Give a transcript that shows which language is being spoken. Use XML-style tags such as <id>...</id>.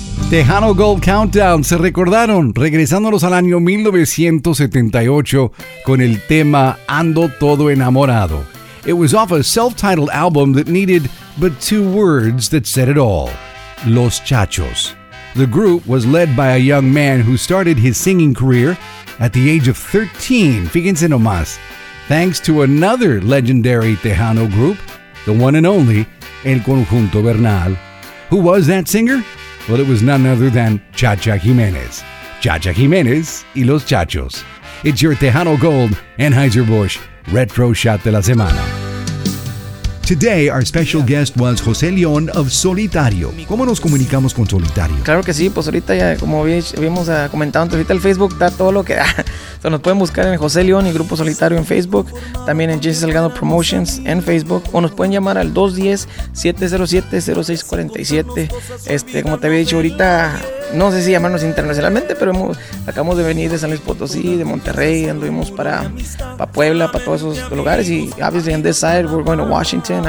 <es>Tejano Gold Countdown, se recordaron, regresándonos al año 1978 con el tema Ando Todo Enamorado.</es> <en>It was off a self-titled album that needed but two words that said it all: Los Chachos. The group was led by a young man who started his singing career at the age of 13,</en> <es>fíjense nomás,</es> <en>thanks to another legendary Tejano group, the one and only El Conjunto Bernal. Who was that singer? Well, it was none other than Chacha Jimenez. Chacha Jimenez y Los Chachos. It's your Tejano Gold, Anheuser-Busch, Retro Shot</en> <es>de la Semana.</es> <en>Today, our special guest was José León of Solitario.</en> <es>¿Cómo nos comunicamos con Solitario? Claro que sí, pues ahorita ya, como habíamos comentado antes, ahorita el Facebook da todo lo que da. O sea, nos pueden buscar en José León y Grupo Solitario en Facebook, también en Jesse Salgado Promotions en Facebook, o nos pueden llamar al 210-707-0647. Como te había dicho ahorita, no sé si llamarnos internacionalmente, pero acabamos de venir de San Luis Potosí, de Monterrey, anduvimos para Puebla, para todos esos lugares, y obviamente en</es> <en>this side, we're going to Washington.</en>